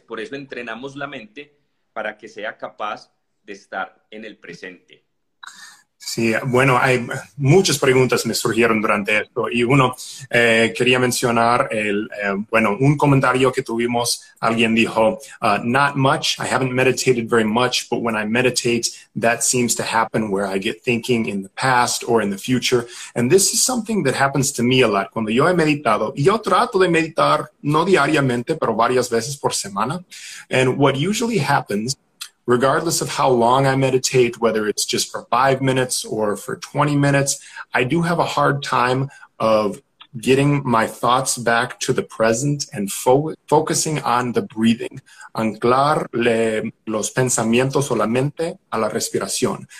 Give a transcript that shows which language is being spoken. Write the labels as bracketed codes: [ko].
[es] Por eso entrenamos la mente para que sea capaz de estar en el presente. Sí, bueno, hay muchas preguntas me surgieron durante esto y uno quería mencionar bueno, un comentario que tuvimos. Alguien dijo, [en] not much. I haven't meditated very much, but when I meditate, that seems to happen where I get thinking in the past or in the future. And this is something that happens to me a lot. [es] Cuando yo he meditado, y yo trato de meditar no diariamente, pero varias veces por semana. [en] And what usually happens, regardless of how long I meditate, whether it's just for 5 minutes or for 20 minutes, I do have a hard time of getting my thoughts back to the present and focusing on the breathing. [es] Anclar los pensamientos solamente a la respiración.